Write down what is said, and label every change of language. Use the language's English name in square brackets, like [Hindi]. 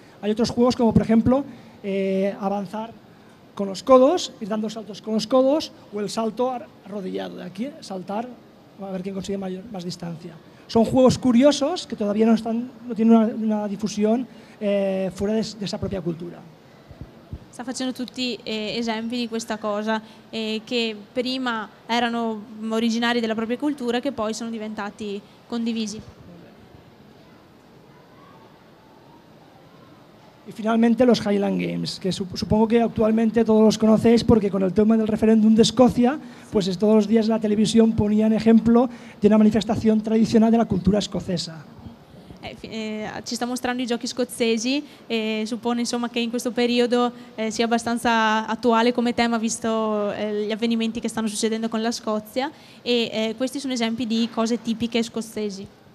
[Spanish] Hay otros juegos como, por ejemplo, avanzar con los codos, ir dando saltos con los codos, o el salto arrodillado de aquí, saltar, a ver quién consigue más distancia. Son juegos curiosos que todavía no tienen una difusión fuera de esa propia cultura. [Italian] Sta facendo tutti esempi di questa cosa, che prima erano originari della propria cultura, che poi sono diventati condivisi. [Spanish] E finalmente los Highland Games, [Italian] che supongo che attualmente tutti [Spanish] los conocéis, [Italian] perché con il tema del [Spanish] referendum de Escocia, pues todos los días la televisión ponía en ejemplo de una manifestación tradicional de la cultura escocesa. [Italian] Ci sta mostrando i giochi scozzesi e suppone insomma che in questo periodo sia abbastanza attuale come tema, visto gli avvenimenti che stanno succedendo con la Scozia, e questi sono esempi di cose tipiche scozzesi.